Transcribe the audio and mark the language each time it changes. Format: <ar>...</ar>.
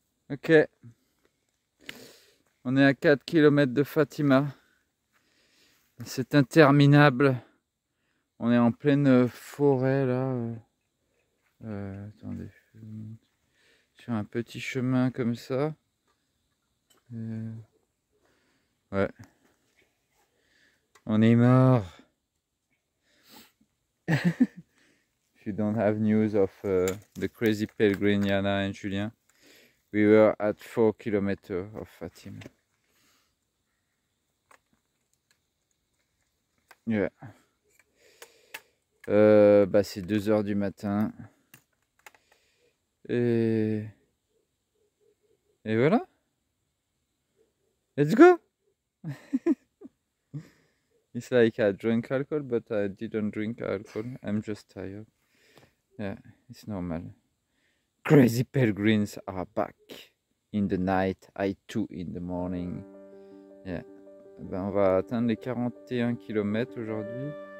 <fr>Ok, on est à 4 km de Fatima, c'est interminable, on est en pleine forêt là, attendez, je vais monter sur un petit chemin comme ça, ouais, on est mort.</fr> <en>If you don't have news of the crazy pilgrim Yana and Julien. We were at 4 kilometers of Fatima. Yeah.</en> <fr>C'est 2h du matin. Et voilà.</fr> <en>Let's go. It's like I drink alcohol, but I didn't drink alcohol. I'm just tired. Yeah, it's normal. Crazy pilgrims are back in the night, I too in the morning. Yeah.</en> <fr>Ben on va atteindre les 41 km aujourd'hui.</fr>